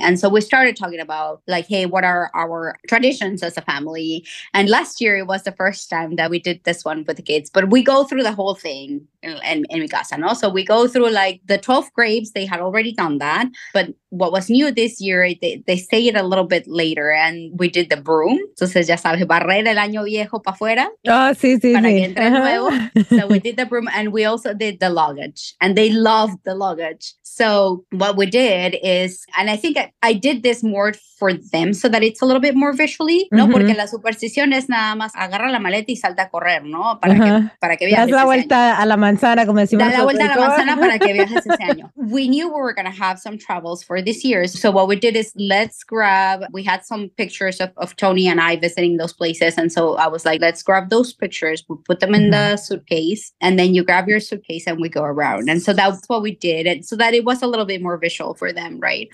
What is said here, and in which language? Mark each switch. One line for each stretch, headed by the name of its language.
English: And so we started talking about like, hey, what are our traditions as a family? And last year it was the first time that we did this one with the kids, but we go through the whole thing in
Spanish: mi casa,
English: no? So we go through like the 12 grapes. They had already done that. But what was new this year, they say it a little bit later and we did the broom.
Spanish: Entonces ya sabes, barrer el año viejo para afuera. Oh, sí, sí, para sí. Que entre nuevo.
English: So we did the broom and we also did the luggage and they loved the luggage. So what we did is, and I think I did this more for them so that it's a little bit more visually, no?
Spanish: Porque la superstición es nada más agarra la maleta y salta a correr, no? Para que viajes ese año. Da la vuelta a la manzana, como decimos. Da la vuelta a la manzana para que viajes ese año.
English: We knew we were going to have some travels for this year. So what we did is we had some pictures of Tony and I visiting those places. And so I was like, let's grab those pictures. We'll put them in the suitcase and then you grab your suitcase and we go around. And so that's what we did. And so that it was a little bit more visual for them, right?